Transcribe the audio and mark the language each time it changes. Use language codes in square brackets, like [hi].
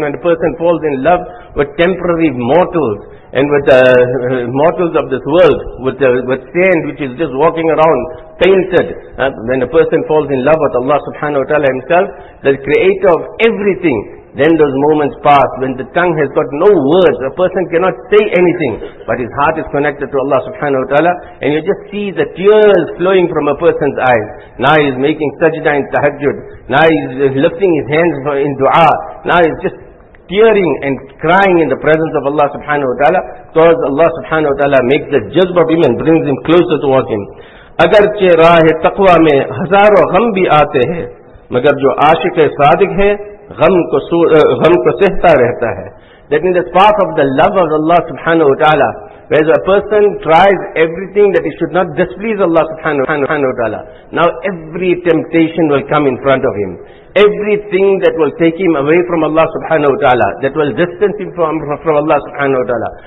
[en] When a person falls in love with temporary mortals and with the mortals of this world, with sand which is just walking around painted, when a person falls in love with Allah subhanahu wa ta'ala himself, the creator of everything, then those moments pass when the tongue has got no words, a person cannot say anything, but his heart is connected to Allah subhanahu wa ta'ala, and you just see the tears flowing from a person's eyes. Now he's making sajda in tahajjud, now he's lifting his hands in dua, now he's just tearing and crying in the presence of Allah subhanahu wa ta'ala, because Allah subhanahu wa ta'ala makes the jazb of him and brings him closer towards him. [ur] اگرچہ راہ تقوی میں ہزاروں غم بھی آتے ہیں مگر جو عاشق صادق ہے غم کو سہتا رہتا ہے. [en] That in the path of the love of Allah subhanahu wa ta'ala, whereas a person tries everything that he should not displease Allah subhanahu wa ta'ala, now every temptation will come in front of him. Everything that will take him away from Allah subhanahu wa ta'ala, that will distance him from Allah subhanahu wa ta'ala.